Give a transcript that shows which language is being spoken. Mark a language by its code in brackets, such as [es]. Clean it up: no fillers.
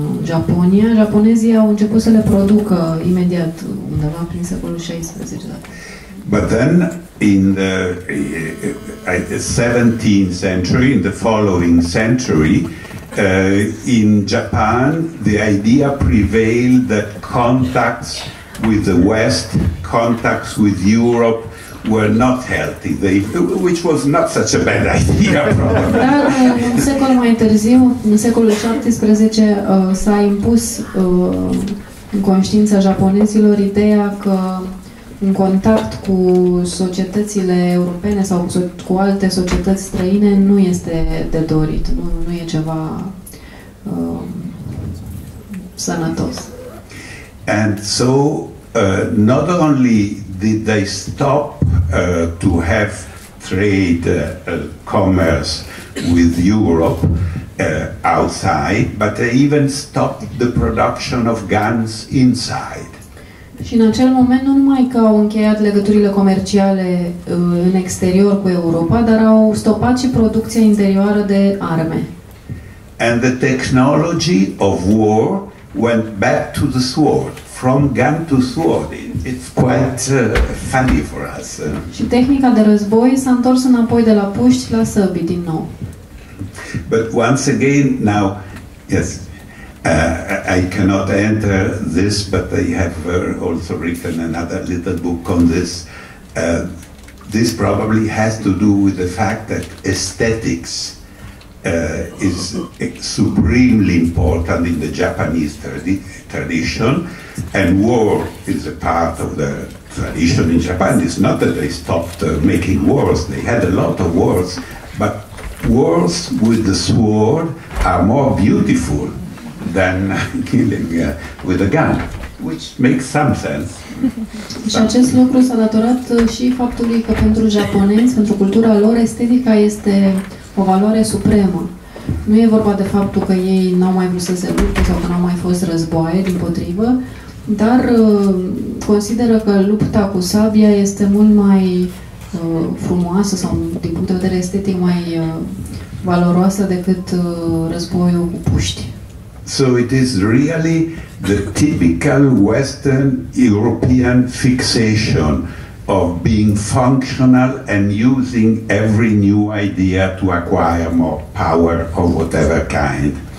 [ro] Japonia. Japonezii au început să le producă imediat undeva prin secolul 16. [en] But then in the 17th century, in the following century, in Japan, the idea prevailed that contacts with the West, contacts with Europe, were not healthy, which was not such a bad idea, probably. [ro] Dar un secol mai târziu, în secolul 17, s-a impus în conștiința japonezilor ideea că un contact cu societățile europene sau cu alte societăți străine nu este de dorit, nu e ceva sănătos. [en] And so, not only did they stop to have trade commerce with Europe outside, but they even stopped the production of guns inside. [ro] Și în acel moment nu numai că au încheiat legăturile comerciale în exterior cu Europa, dar au stopat și producția interioară de arme. [en] And the technology of war went back to the sword. From gun to sword, it's quite funny for us. [ro] Și tehnica de război s-a întors înapoi de la puști la săbi din nou. [en] But once again, now, yes, I cannot enter this, but I have also written another little book on this. This probably has to do with the fact that aesthetics is supremely important in the Japanese tradition, and war is a part of the tradition in Japan. It's not that they stopped making wars, they had a lot of wars, but wars with the sword are more beautiful than killing with a gun, which makes some sense. [ro] Și acest lucru s-a datorat și faptului că pentru japonezi, pentru cultura lor, estetica este o valoare supremă. Nu e vorba de faptul că ei n-au mai vrut să se lupte sau că n-au mai fost războaie, dimpotrivă, dar consideră că lupta cu sabia este mult mai frumoasă sau, din punct de vedere estetic, mai valoroasă decât războiul cu puști. [en] So it is really the typical Western European fixation of being functional and using every new idea to acquire more power of whatever kind.